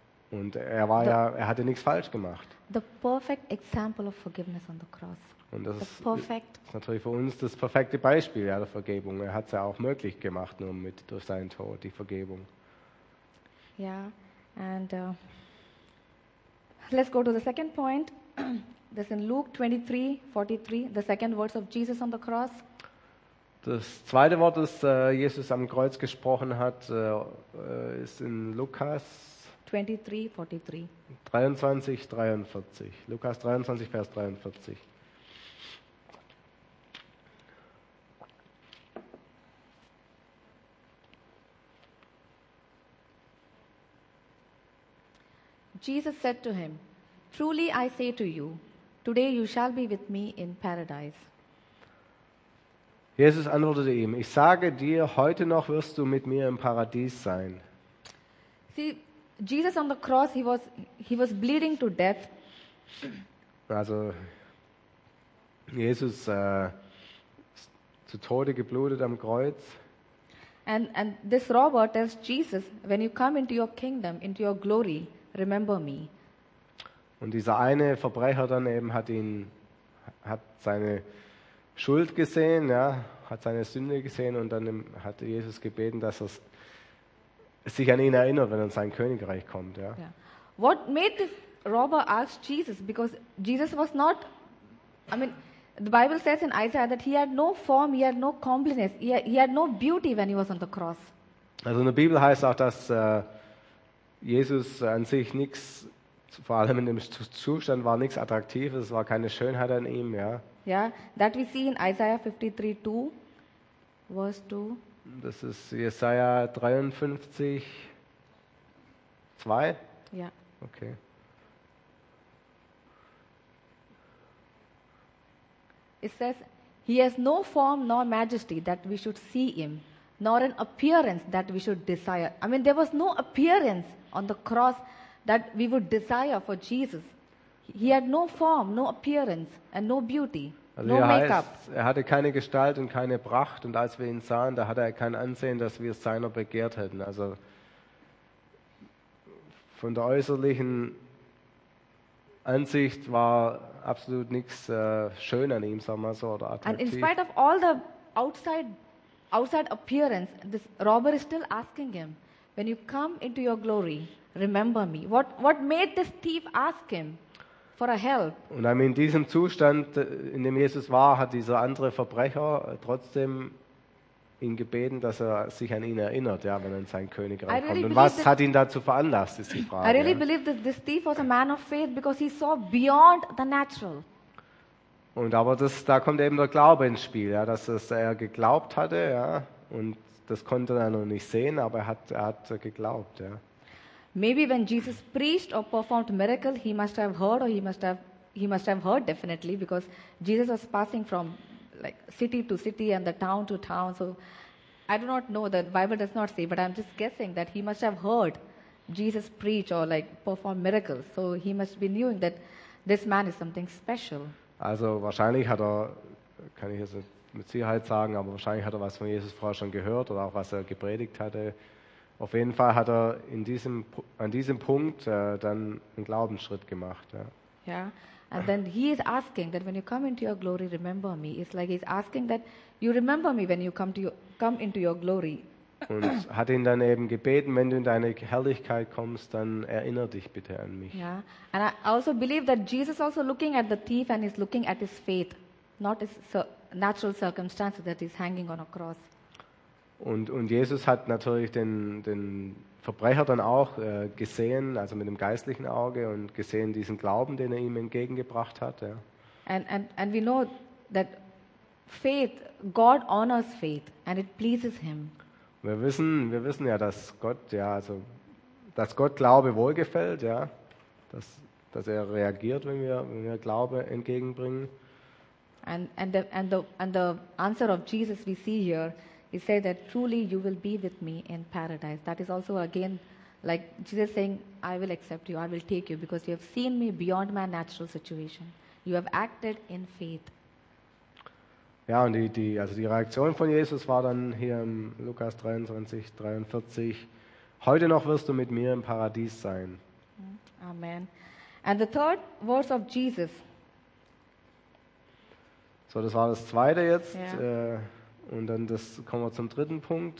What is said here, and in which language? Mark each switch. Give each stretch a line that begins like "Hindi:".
German: Und er hatte nichts falsch gemacht.
English: The perfect example of forgiveness on the cross.
German: Und das ist natürlich für uns das perfekte Beispiel, ja, der Vergebung. Er hat es ja auch möglich gemacht, nur mit durch seinen Tod, die Vergebung.
English: Ja, yeah, and let's go to the second point. That's in Luke 23:43, the second words of Jesus on the cross.
German: Das zweite Wort, das Jesus am Kreuz gesprochen hat, ist in Lukas 23:43. Lukas 23, Vers 43.
English: Jesus said to him, truly I say to you, today you shall be with me in paradise.
German: Jesus antwortete ihm, ich sage dir, heute noch wirst du mit mir im Paradies sein.
English: See, Jesus on the cross, he was bleeding to death.
German: Also, Jesus ist zu Tode geblutet am Kreuz.
English: And this robber tells Jesus, when you come into your kingdom, into your glory, remember me.
German: Und dieser eine Verbrecher dann eben hat seine Schuld gesehen, ja, hat seine Sünde gesehen und dann hat Jesus gebeten, dass er sich an ihn erinnert, wenn er in sein Königreich kommt, ja. Yeah.
English: What made this robber ask Jesus? Because Jesus was not, I mean, the Bible says in Isaiah that he had no form, he had no comeliness, he had no beauty when he was on the cross.
German: Also in der Bibel heißt auch, dass Jesus an sich nichts, vor allem in dem Zustand, war nichts attraktiv, es war keine Schönheit an ihm, ja.
English: Ja, yeah, that we see in Isaiah 53:2, verse 2.
German: Das ist Jesaja 53, 2? Ja. Yeah. Okay.
English: It says, he has no form nor majesty that we should see him, nor an appearance that we should desire. I mean, there was no appearance on the cross that we would desire for Jesus. He had no form, no appearance, and no beauty, also no makeup.
German: Heißt, er hatte keine Gestalt und keine Pracht, und als wir ihn sahen, da hatte er kein Ansehen, dass wir seiner begehrt hätten. Also von der äußerlichen Ansicht war absolut nichts schön an ihm, sagen wir so, oder attraktiv.
English: And in spite of all the outside appearance, this robber is still asking him, when you come into your glory, remember me. What made this thief ask him for a help?
German: Und in diesem Zustand, in dem Jesus war, hat dieser andere Verbrecher trotzdem ihn gebeten, dass er sich an ihn erinnert, ja, wenn er in sein Königreich
English: really
German: kommt. Und was hat ihn dazu veranlasst, ist die Frage.
English: I really believe that this thief was a man of faith because he saw beyond the natural.
German: Und aber das, da kommt eben der Glaube ins Spiel, ja, dass es er geglaubt hatte, ja, und das konnte er noch nicht sehen, aber er hat geglaubt, ja.
English: Maybe when Jesus preached or performed miracle, he must have heard, or he must have heard definitely, because Jesus was passing from like city to city and the town to town. So I do not know, the Bible does not say, but I'm just guessing that he must have heard Jesus preach or like perform miracles. So he must be knowing that this man is something special.
German: Also wahrscheinlich hat er, kann ich jetzt mit Sicherheit sagen, aber wahrscheinlich hat er was von Jesus vorher schon gehört oder auch was er gepredigt hatte. Auf jeden Fall hat er in diesem, an diesem Punkt dann einen Glaubensschritt gemacht. Ja. Yeah.
English: And then he is asking that when you come into your glory, remember me. It's like he's asking that you remember me when you come into your glory.
German: Und hat ihn dann eben gebeten, wenn du in deine Herrlichkeit kommst, dann erinnere dich bitte an mich. Yeah.
English: And I also believe that Jesus also looking at the thief and is looking at his faith, not his natural circumstances that he's hanging on a cross.
German: Und Jesus hat natürlich den Verbrecher dann auch gesehen, also mit dem geistlichen Auge, und gesehen diesen Glauben, den er ihm entgegengebracht hat. Ja.
English: And we know that faith, God honors faith and it pleases him.
German: Wir wissen ja, dass Gott, ja, also dass Gott Glaube wohlgefällt, ja, dass er reagiert, wenn wir Glaube entgegenbringen.
English: And the answer of Jesus we see here. He said that truly you will be with me in paradise. That is also again like Jesus saying, I will accept you, I will take you, because you have seen me beyond my natural situation. You have acted in faith.
German: Ja, und die Reaktion von Jesus war dann hier in Lukas 23, 43, heute noch wirst du mit mir im Paradies sein. Amen.
English: And the third verse of Jesus.
German: So, das war das zweite jetzt. Yeah. Und dann das kommen wir zum dritten Punkt.